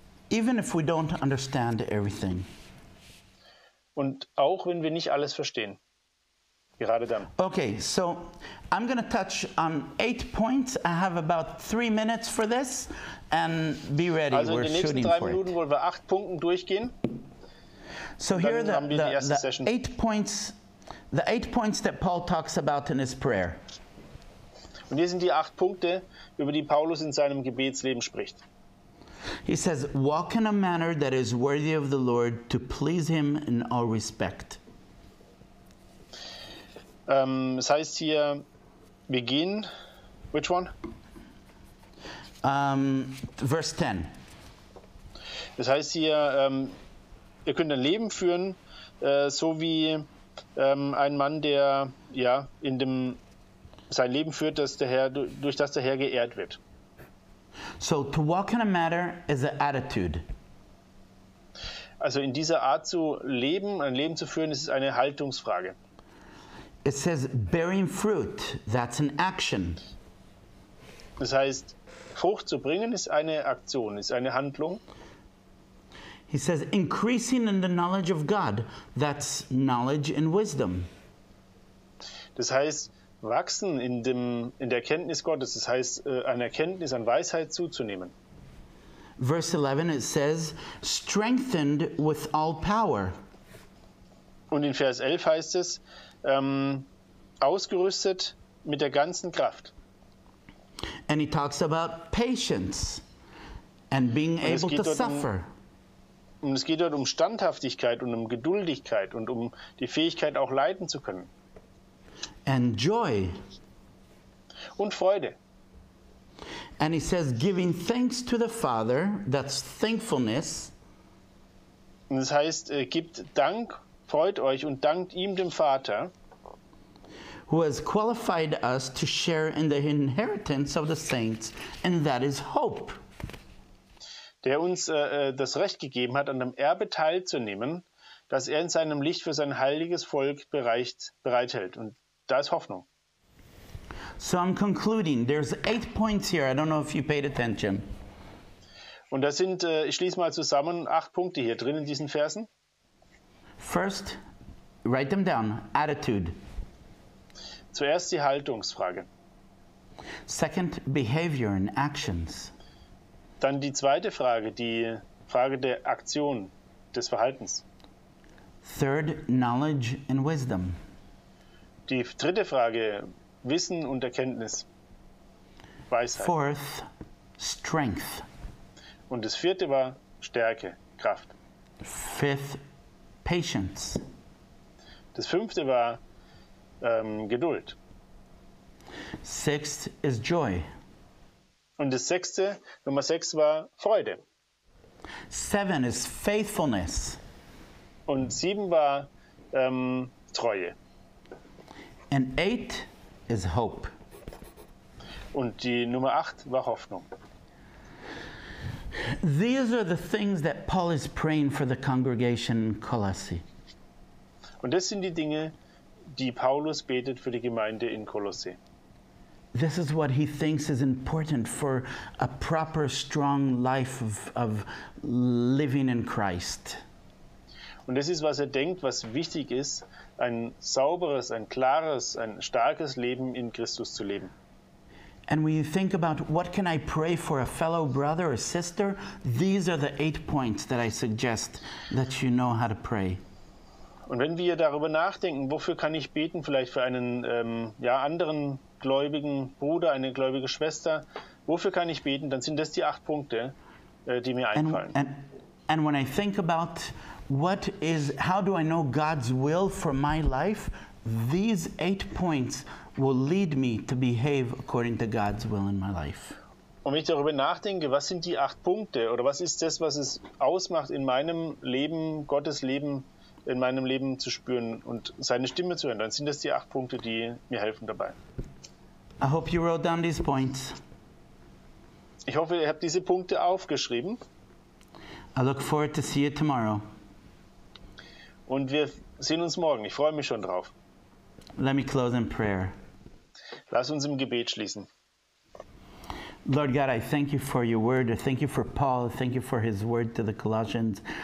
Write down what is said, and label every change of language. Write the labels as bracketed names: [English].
[English] Even if we don't understand everything. [German] Und auch wenn wir nicht alles verstehen. Gerade dann. [English] Okay, so I'm going to touch on 8 points. I have about 3 minutes for this. And be ready, also we're shooting for it. Also [German] in den nächsten 3 Minuten wollen wir 8 Punkten durchgehen. [English] So here are the eight points that Paul talks about in his prayer. [German] Und hier sind die 8 Punkte, über die Paulus in seinem Gebetsleben spricht. [English] He says, walk in a manner that is worthy of the Lord to please him in all respect. [German] Es heißt hier, [English] begin, which one? Verse 10. [German] Das heißt hier, ihr könnt ein Leben führen, so wie ein Mann, der ja in dem sein Leben führt, dass der Herr, durch das der Herr geehrt wird. [English] So to walk in a matter is an attitude. [German] Also in dieser Art zu leben, ein Leben zu führen, ist eine Haltungsfrage. [English] It says bearing fruit, that's an action. [German] Das heißt, Frucht zu bringen ist eine Aktion, ist eine Handlung. [English] He says increasing in the knowledge of God, that's knowledge and wisdom. [German] Das heißt, wachsen in der Kenntnis Gottes, das heißt, an Erkenntnis, an Weisheit zuzunehmen. [English] Verse 11, it says, strengthened with all power. [German] Und in Vers 11 heißt es, ausgerüstet mit der ganzen Kraft. [English] And he talks about patience and being able to suffer. [German] Und es geht dort um Standhaftigkeit und um Geduldigkeit und um die Fähigkeit, auch leiden zu können. [English] And joy. [German] Und Freude. [English] And he says, giving thanks to the Father, that's thankfulness. [German] Und das heißt, gibt Dank, freut euch und dankt ihm, dem Vater. [English] Who has qualified us to share in the inheritance of the saints, and that is hope. [German] Der uns das Recht gegeben hat, an dem Erbe teilzunehmen, das er in seinem Licht für sein heiliges Volk bereithält. Und da ist Hoffnung. [English] So I'm concluding. There's 8 points here. I don't know if you paid attention. [German] Und das sind, ich schließe mal zusammen, 8 Punkte hier drin in diesen Versen. [English] First, write them down. Attitude. [German] Zuerst die Haltungsfrage. [English] Second, behavior and actions. [German] Dann die zweite Frage, die Frage der Aktion, des Verhaltens. [English] Third, knowledge and wisdom. [German] Die dritte Frage, Wissen und Erkenntnis, Weisheit. [English] Fourth, strength. [German] Und das vierte war Stärke, Kraft. [English] Fifth, patience. [German] Das fünfte war Geduld. [English] Sixth is joy. [German] Und das sechste, Nummer sechs, war Freude. [English] Seven is faithfulness. [German] Und sieben war Treue. [English] And eight is hope. [German] Und die Nummer acht war Hoffnung. [English] These are the things that Paul is praying for the congregation in Colossae. [German] Und das sind die Dinge, die Paulus betet für die Gemeinde in Kolosse. [English] This is what he thinks is important for a proper, strong life of living in Christ. [German] Und das ist, was er denkt, was wichtig ist, ein sauberes, ein klares, ein starkes Leben in Christus zu leben. [English] And when you think about what can I pray for a fellow brother or sister, these are the 8 points that I suggest that you know how to pray. [German] Und wenn wir darüber nachdenken, wofür kann ich beten, vielleicht für einen anderen gläubigen Bruder, eine gläubige Schwester, wofür kann ich beten, dann sind das die 8 Punkte, die mir einfallen. [English] And when I think about how do I know God's will for my life, these 8 points will lead me to behave according to God's will in my life. [German] Und wenn ich darüber nachdenke, was sind die 8 Punkte oder was ist das, was es ausmacht, in meinem Leben, Gottes Leben, in meinem Leben zu spüren und seine Stimme zu hören, dann sind das die 8 Punkte, die mir helfen dabei. [English] I hope you wrote down these points. [German] Ich hoffe, ihr habt diese Punkte aufgeschrieben. [English] I look forward to see you tomorrow. [German] Und wir sehen uns morgen. Ich freue mich schon drauf. [English] Let me close in prayer. [German] Lass uns im Gebet schließen. [English] Lord God, I thank you for your word. Thank you for Paul. Thank you for his word to the Colossians.